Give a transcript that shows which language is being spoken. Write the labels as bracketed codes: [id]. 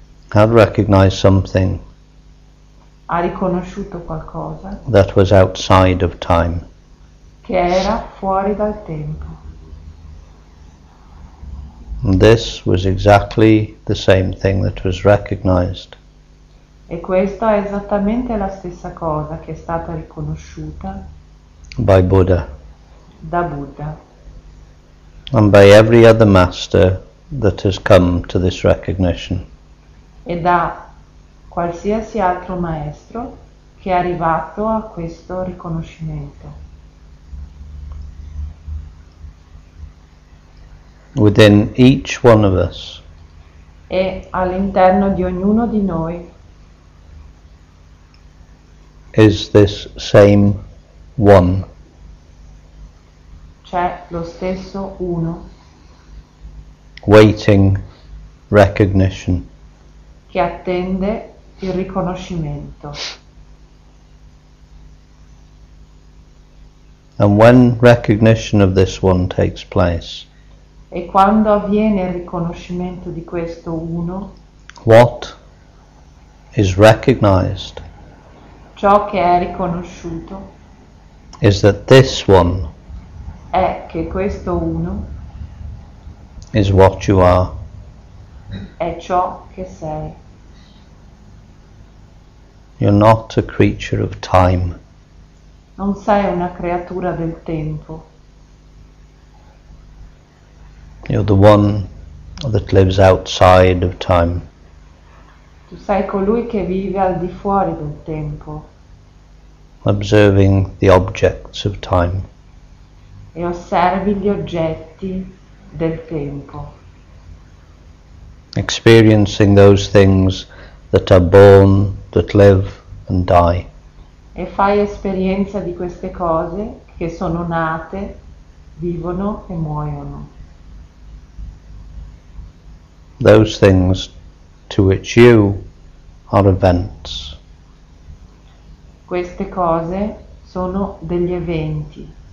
[en] had recognized something [it] ha riconosciuto qualcosa [en] that was outside of time [it] che era fuori dal tempo. [en] And this was exactly the same thing that was recognized. [it] E questa è esattamente la stessa cosa che è stata riconosciuta [en] by Buddha. [it] Da Buddha. [en] And by every other master that has come to this recognition. [it] E da qualsiasi altro maestro che è arrivato a questo riconoscimento. [en] Within each one of us. [it] E all'interno di ognuno di noi. [en] Is this same one. [it] C'è lo stesso uno. [en] Waiting recognition. [it] Che attende il riconoscimento. [en] And when recognition of this one takes place. [it] E quando avviene il riconoscimento di questo uno. [en] What is recognized. [it] Ciò che è riconosciuto. [en] Is that this one. [it] È che questo uno. [en] Is what you are. [it] È ciò che sei. [en] You're not a creature of time. [it] Non sei una creatura del tempo. [en] You're the one that lives outside of time. [it] Tu sei colui che vive al di fuori del tempo. [en] Observing the objects of time. [it] E osservi gli oggetti del tempo. [en] Experiencing those things that are born, that live and die. [it] E fai esperienza di queste cose che sono nate, vivono e muoiono. [en] Those things to which you are events. [it] Queste cose sono degli eventi.